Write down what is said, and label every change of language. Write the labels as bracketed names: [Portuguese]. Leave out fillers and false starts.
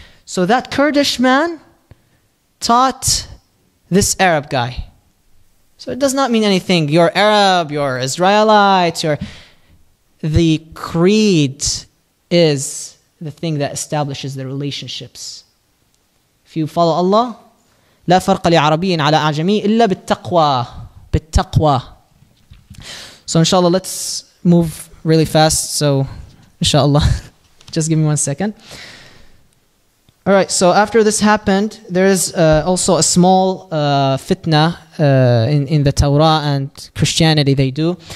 [English] So that Kurdish man taught this Arab guy. So it does not mean anything. You're Arab, you're Israelite, you're... The creed is the thing that establishes the relationships. If you follow Allah, [Arabic] لا فرق لعربي على أعجمي إلا بالتقوى بالتقوى. [English] So inshallah, let's move really fast. So inshallah, just give me 1 second. All right. So after this happened, there is also a small fitna in the Torah and Christianity. They do.